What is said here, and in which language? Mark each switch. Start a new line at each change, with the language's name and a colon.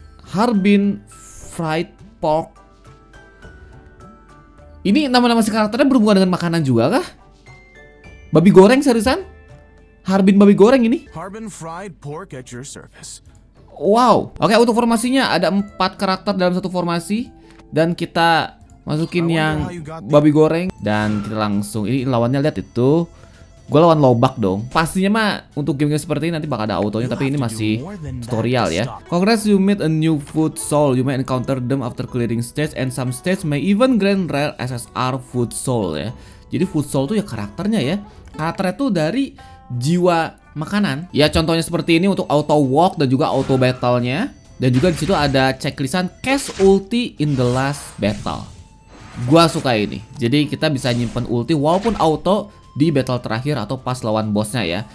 English: Harbin Fried Pork.
Indonesian: Ini nama-nama si karakternya berhubungan dengan makanan juga kah? Babi goreng seriusan? Harbin babi goreng ini?
English: Harbin Fried Pork at your service. Wow.
Indonesian: Oke, untuk formasinya ada 4 karakter dalam satu formasi dan kita masukin yang babi goreng dan kita langsung ini lawannya lihat itu. Gue lawan lobak dong. Pastinya mah untuk game-game seperti ini nanti bakal ada autonya. Tapi ini masih tutorial ya.
English: Congrats, you meet a new food soul. You may encounter them after clearing stage. And some stage may even grant rare SSR food soul ya.
Indonesian: Jadi food soul tuh ya karakternya ya. Karakternya tuh dari jiwa makanan. Ya contohnya seperti ini untuk auto walk dan juga auto battle-nya. Dan juga disitu ada checklistan
English: cast ulti in the last battle.
Indonesian: Gue suka ini. Jadi kita bisa nyimpen ulti walaupun auto di battle terakhir atau pas lawan bosnya ya.